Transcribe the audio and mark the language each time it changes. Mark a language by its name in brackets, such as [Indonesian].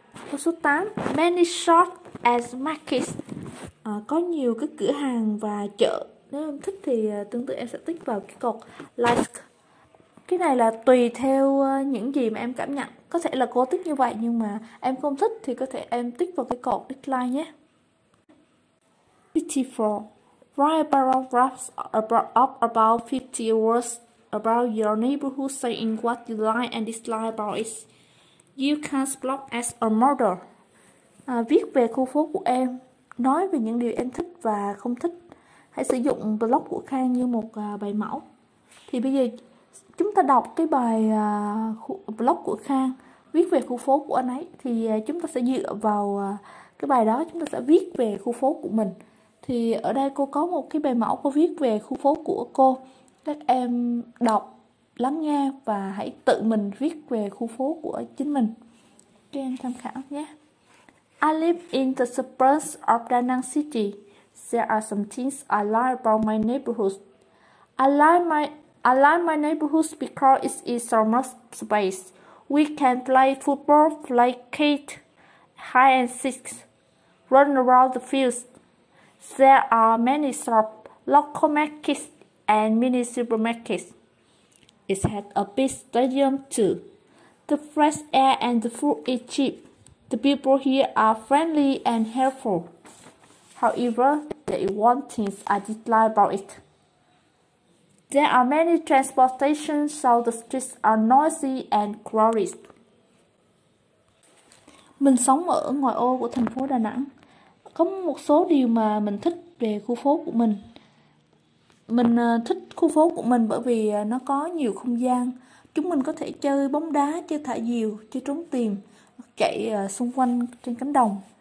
[Vietnamese] Câu số 8, [English] many shops and markets, [Vietnamese] có nhiều cái cửa hàng và chợ. Nếu em thích thì tương tự em sẽ tích vào cái cột like. Cái này là tùy theo những gì mà em cảm nhận. Có thể là cô tích như vậy, nhưng mà em không thích thì có thể em tích vào cái cột dislike nhé. [English] Beautiful. Write paragraphs about 50 words about your neighborhood, saying what you like and dislike about it. You can block as a model. [Vietnamese] Viết về khu phố của em, nói về những điều em thích và không thích. Hãy sử dụng blog của Khang như một bài mẫu. Thì bây giờ chúng ta đọc cái bài blog của Khang viết về khu phố của anh ấy. Thì chúng ta sẽ dựa vào cái bài đó, chúng ta sẽ viết về khu phố của mình. Thì ở đây cô có một cái bài mẫu cô viết về khu phố của cô. Các em đọc, lắng nghe và hãy tự mình viết về khu phố của chính mình. Các em tham khảo nhé. [English] I live in the suburbs of Da Nang City. There are some things I like about my neighborhood. I like my neighborhood because it is so much space. We can play football, play cricket, hide and seek, run around the fields. There are many shops, local markets, and mini supermarkets. It has a big stadium too. The fresh air and the food is cheap. The people here are friendly and helpful. However, there is one thing I dislike about it. There are many transportations, so the streets are noisy and crowded. [Vietnamese] Mình sống ở ngoại ô của thành phố Đà Nẵng. Có một số điều mà mình thích về khu phố của mình. Mình thích khu phố của mình bởi vì nó có nhiều không gian. Chúng mình có thể chơi bóng đá, chơi thả diều, chơi trốn tìm, chạy xung quanh trên cánh đồng.